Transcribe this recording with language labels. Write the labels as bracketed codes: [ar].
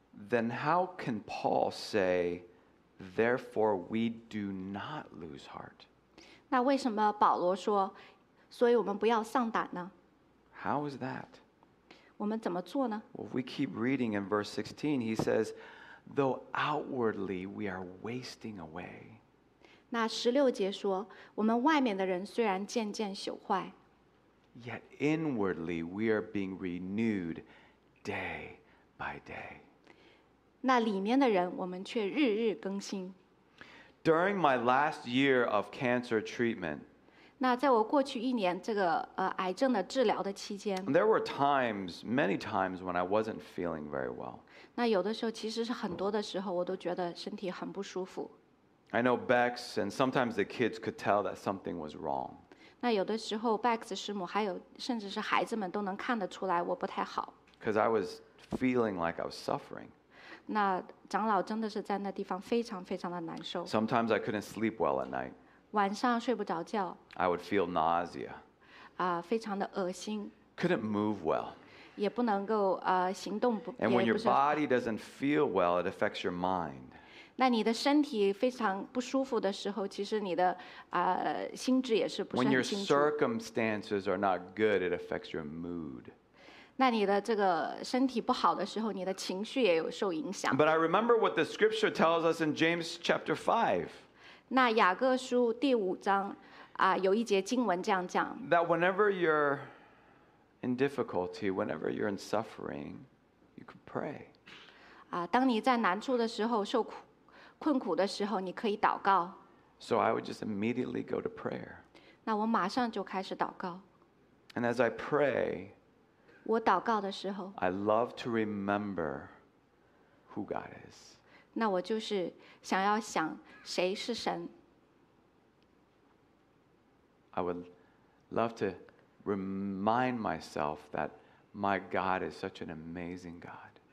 [en] Then how can Paul say, therefore we do not lose heart? [zh] 那为什么保罗说，所以我们不要丧胆呢？ [en] How is that? [zh] 我们怎么做呢? [en] Well, we keep reading in verse 16. He says, though outwardly we are wasting away. [zh] 那十六节说，我们外面的人虽然渐渐朽坏。 [en] Yet inwardly we are being renewed day by day. [zh] 那里面的人我们却日日更新。 [en] During my last year of cancer treatment, [zh] 那在我过去一年这个癌症的治疗的期间 [en] ，There were times, many times when I wasn't feeling very well. [zh] 那有的时候其实是很多的时候，我都觉得身体很不舒服。 [en] I know Bex and sometimes the kids could tell that something was wrong. [zh] 那有的时候 Bex 师母还有甚至是孩子们都能看得出来我不太好。 [en] Because I was feeling like I was suffering. [zh] 那长老真的是在那地方非常非常的难受。 [en] Sometimes I couldn't sleep well at night. [zh] 晚上睡不着觉。 [en] I would feel nausea. [zh] 非常的恶心。 [en] Couldn't move well. [zh] 也不能够行动不。 [en] And when your body doesn't feel well, it affects your mind. [zh] 那你的身体非常不舒服的时候，其实你的心智也是不是很清楚。 [en] When your circumstances are not good, it affects your mood. [zh] 那你的这个身体不好的时候，你的情绪也有受影响。 [en] But I remember what the scripture tells us in James chapter 5. [zh] 那雅各书第五章有一节经文这样讲 [en] That whenever you're in difficulty, whenever you're in suffering, you can pray. [zh] 当你在难处的时候受苦困苦的时候你可以祷告 [en] So I would just immediately go to prayer. [zh] 那我马上就开始祷告 [en] And as I pray, [zh] 我祷告的时候 [en] I love to remember who God is. [zh] 那我就是想要想谁是神。 [en] I would love to remind myself that my God is such an amazing God.